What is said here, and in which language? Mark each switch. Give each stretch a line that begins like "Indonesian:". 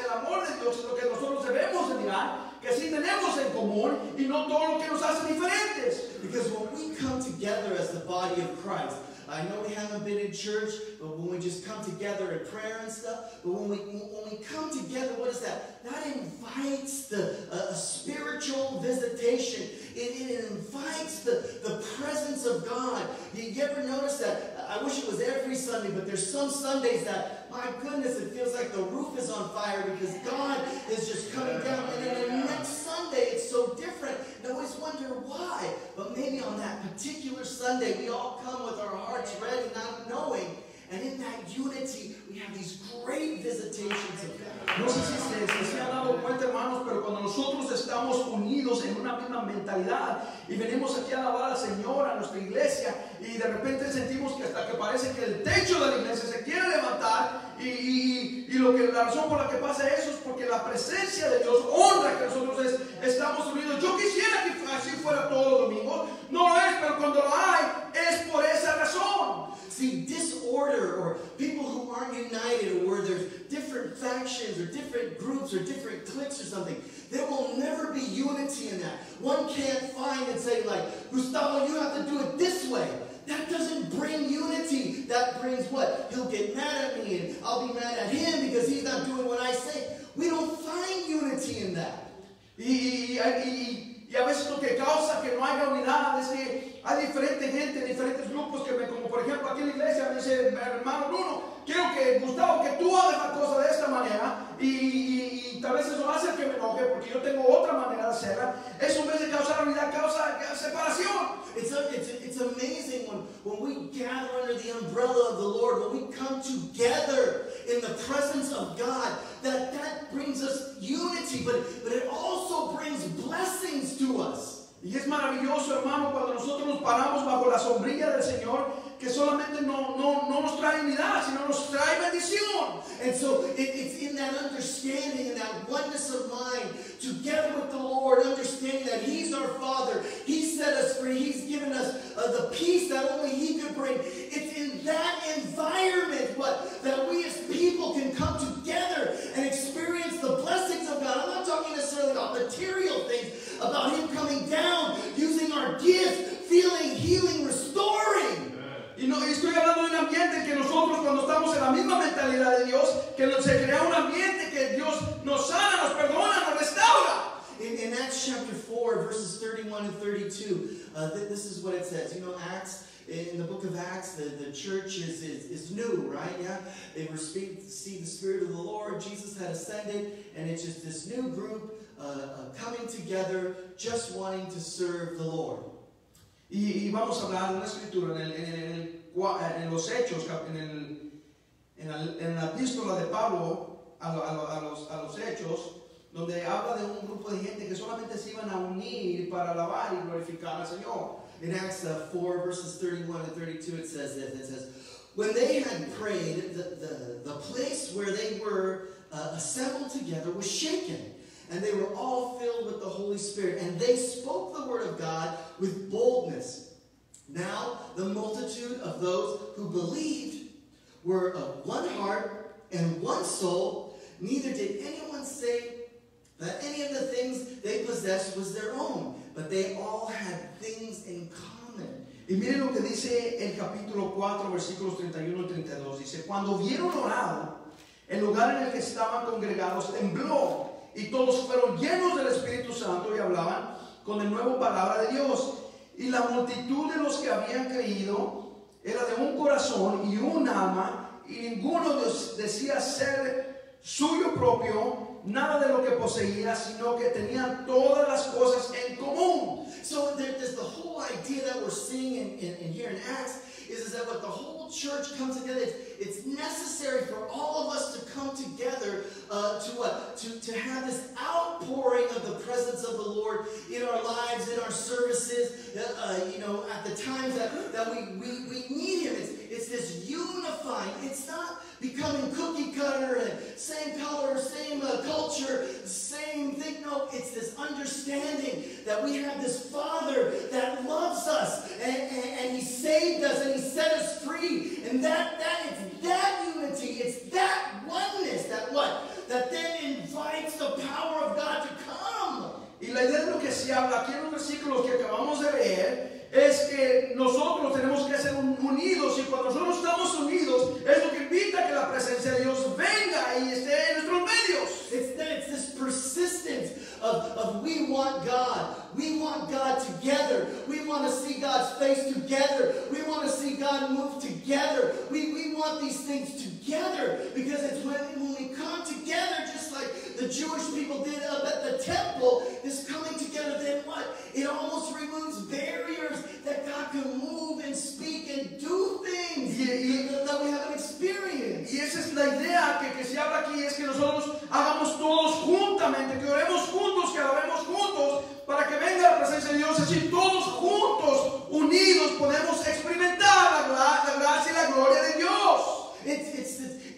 Spanish: El amor de Dios es lo que nosotros debemos de mirar, que sí tenemos en común, y no todo lo que nos hace diferentes.
English: Because when we come together as the body of Christ, I know we haven't been in church, but when we just come together in prayer and stuff, but when we come together, what is that? That invites the spiritual visitation. It invites the presence of God. You ever notice that? I wish it was every Sunday, but there's some Sundays that, my goodness, it feels like the roof is on fire because God is just coming down. And then the next Sunday, it's so different. And I always wonder why. But maybe on that particular Sunday, we all come with our hearts ready, not knowing. And in that unity, we have these great visitations of God.
Spanish: No sé si se han dado cuenta, hermanos, pero cuando nosotros estamos unidos en una misma mentalidad y venimos aquí a alabar al Señor, a nuestra iglesia, y de repente sentimos que hasta que parece que el techo de la iglesia se quiere levantar, y lo que, la razón por la que pasa eso es porque la presencia de Dios honra que nosotros estamos unidos. Yo quisiera que así fuera todos los domingos. No lo es, pero cuando lo hay, es por esa razón.
English: See, disorder, or people who aren't united, or where there's different factions or different groups or different cliques or something, there will never be unity in that. One can't find and say, like, Gustavo, you have to do it this way. That doesn't bring unity. That brings what? He'll get mad at me, and I'll be mad at him because he's not doing what I say. We don't find unity in that.
Spanish: Y a veces lo que causa que no haya unidad es que hay diferente gente, diferentes grupos que me, como por ejemplo aquí en la iglesia, me dice, hermano Bruno, quiero que, Gustavo, que tú hagas la cosa de esta manera, y tal vez eso hace que me enoje porque yo tengo otra manera de hacerla. Eso en vez de causar unidad, causa separación.
English: It's amazing when we gather under the umbrella of the Lord, when we come together in the presence of God, that brings us unity, but it also brings blessings to us.
Spanish: Y es maravilloso, hermano, cuando nosotros nos paramos bajo la sombrilla del Señor, que solamente no nos trae unidad, sino nos trae bendición.
English: And so it's in that understanding and that oneness of mind, together with the Lord, understanding that he's our Father, he set us free, he's given us the peace that only he could bring. It's in that environment that we as people can come together and experience the blessings of God. I'm not talking necessarily about material things, about him coming down, using our gifts, feeling, healing, restoring.
Spanish: Y no, estoy hablando de un ambiente que nosotros, cuando estamos en la misma mentalidad de Dios, que se crea un ambiente que Dios nos sana, nos perdona, nos restaura.
English: In Acts chapter 4, verses 31 and 32, this is what it says. You know, Acts, in the book of Acts, the church is new, right? Yeah, they were speaking to see the Spirit of the Lord. Jesus had ascended, and it's just this new group coming together, just wanting to serve the Lord.
Spanish: Y vamos a hablar de una escritura en los Hechos, en la epístola de Pablo a los Hechos, donde habla de un grupo de gente que solamente se iban a unir para alabar y glorificar al Señor.
English: In Acts 4, verses 31 and 32, it says this. It says, when they had prayed, the place where they were assembled together was shaken, and they were all filled with the Holy Spirit, and they spoke the word of God with boldness. Now the multitude of those who believed were of one heart and one soul. Neither did anyone say that any of the things they possessed was their own, but they all had things in common.
Spanish: Y miren lo que dice el capítulo 4, versículos 31 y 32. Dice, cuando vieron orado, el lugar en el que estaban congregados tembló, y todos fueron llenos del Espíritu Santo y hablaban con el nuevo palabra de Dios. Y la multitud de los que habían creído era de un corazón y un alma, y ninguno decía ser suyo propio, nada de lo que poseía, sino que tenían todas las cosas en común.
English: So there's the whole idea that we're seeing in here in Acts is that when the whole church comes together, it's necessary for all of us to come together to have this outpouring of the presence of the Lord in our lives, in our services, at the times that we need Him. It's this unifying. It's not becoming cookie cutter and same color, same culture, same thing. No, it's this understanding that we have this Father that loves us and He saved us and He set us free. And that is that unity. It's that oneness that then invites the power of God to come.
Spanish: Y la idea de lo que se habla aquí en los versículos que acabamos de leer es que nosotros tenemos que ser unidos, y cuando nosotros estamos unidos es lo que invita a que la presencia de Dios venga y esté en nuestros medios.
English: It's this persistence of we want God. We want God together. We want to see God's face together. We want to see God move together. We want these things together, because it's when we come together, just like the Jewish people did up at the temple, this coming together, then what? It almost removes barriers that God can move and speak and do things that we have an experience.
Spanish: Y esa es la idea que se habla aquí, es que nosotros hagamos todos juntamente, que oremos juntos, que adoremos juntos, para que venga la presencia de Dios. Así todos juntos, unidos, podemos experimentar la gracia y la gloria de Dios.